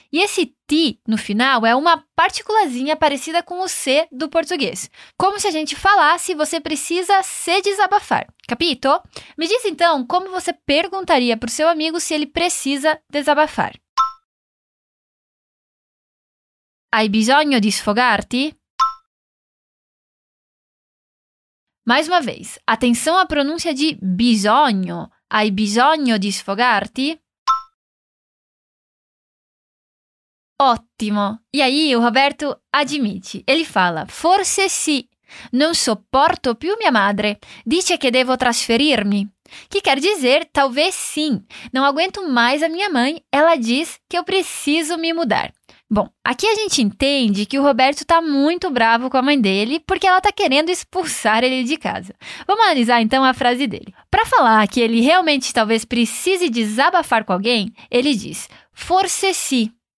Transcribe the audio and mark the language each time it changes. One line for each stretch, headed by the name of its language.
Portuguese: E esse ti no final é uma partículazinha parecida com o C do português. Como se a gente falasse você precisa se desabafar.
Italian: Capito?
Portuguese: Me diz então como você perguntaria para o seu amigo se ele precisa desabafar.
Italian: Hai bisogno di sfogarti?
Portuguese: Mais uma vez, atenção à pronúncia de bisogno.
Italian: Hai bisogno di sfogarti?
Portuguese: Ótimo! E aí o Roberto admite. Ele fala,
Italian: forse sì. Non sopporto più mia madre. Dice che devo trasferirmi.
Portuguese: Que quer dizer, talvez sim. Não aguento mais a minha mãe. Ela diz que eu preciso me mudar. Bom, aqui a gente entende que o Roberto está muito bravo com a mãe dele porque ela está querendo expulsar ele de casa. Vamos analisar então a frase dele. Para falar que ele realmente talvez precise desabafar com alguém, ele diz
Italian: forse sì.